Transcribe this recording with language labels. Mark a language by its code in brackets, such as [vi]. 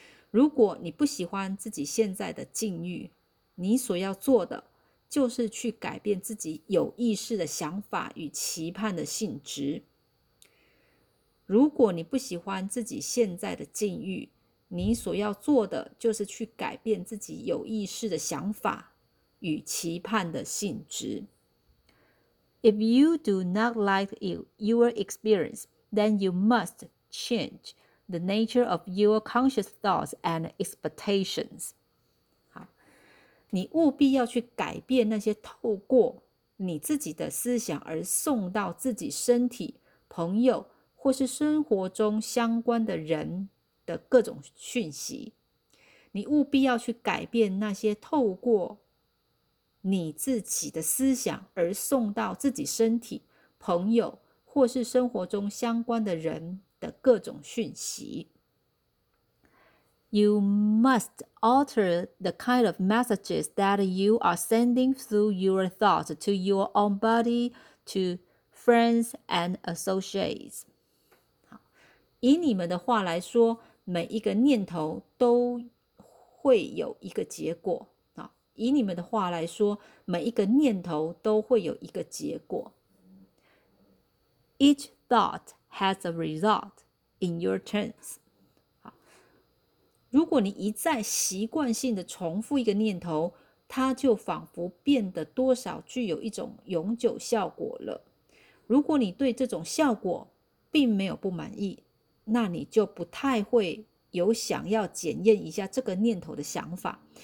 [zh] 如果你不喜欢自己现在的境遇，你所要做的就是去改变自己有意识的想法与期盼的性质。如果你不喜欢自己现在的境遇，你所要做的就是去改变自己有意识的想法与期盼的性质。 [en] If you do not like your experience, then you must change the nature of your conscious thoughts and expectations. [zh] 好，你务必要去改变那些透过你自己的思想而送到自己身体、朋友或是生活中相关的人的各种讯息。你务必要去改变那些透过你自己的思想而送到自己身体、朋友或是生活中相关的人的各种讯息。 [en] You must alter the kind of messages that you are sending through your thoughts to your own body, to friends and associates. [zh] 好，以你们的话来说，每一个念头都会有一个结果。以你们的话来说，每一个念头都会有一个结果。 [en] Each thought has a result in your terms. [zh] 如果你一再习惯性的重复一个念头，它就仿佛变得多少具有一种永久效果了。如果你对这种效果并没有不满意，那你就不太会有想要检验一下这个念头的想法。